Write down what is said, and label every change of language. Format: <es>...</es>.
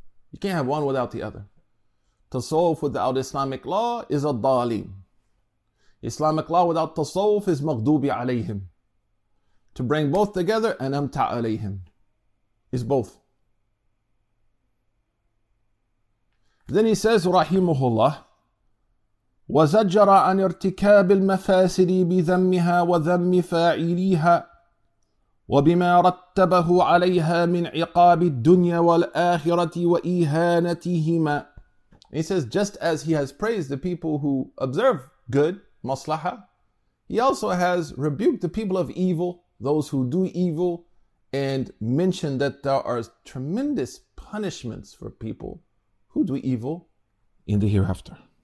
<en>You can't have one without the other. Tasawwuf without Islamic law is a dalim. Islamic law without tasawwuf is maghdubi alayhim. To bring both together, and amta alayhim, is both. Then he says, rahimuhullah,</en> <ar>وزجر عن ارتكاب المفاسد بذمها وذم فاعليها وبما رتبه عليها من عقاب الدنيا والآخرة وإهانتهما.</ar> <en>He says, just as he has praised the people who observe good, maslaha, he also has rebuked the people of evil, those who do evil, and mentioned that there are tremendous punishments for people who do evil in the hereafter.</en>